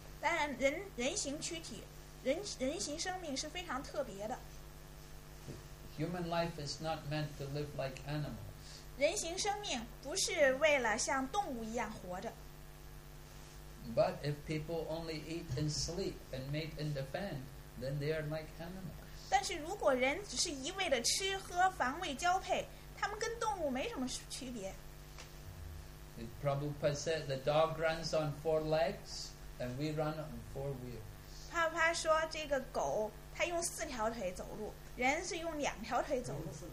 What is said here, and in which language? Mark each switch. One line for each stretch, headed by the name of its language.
Chinese: 当然人形躯体人形生命是非常特别的
English: Human life is not meant to live like animals
Chinese: 人形生命不是为了像动物一样活着
English: But if people only eat and sleep and mate and defend then they are like animals
Chinese: 但是如果人只是一味的吃喝防卫交配他们跟动物没什么区别
English: It probably said the dog runs on four legsAnd we run on four wheels.
Chinese: 帕帕说这个狗它用四条腿走路人是用两条腿走路。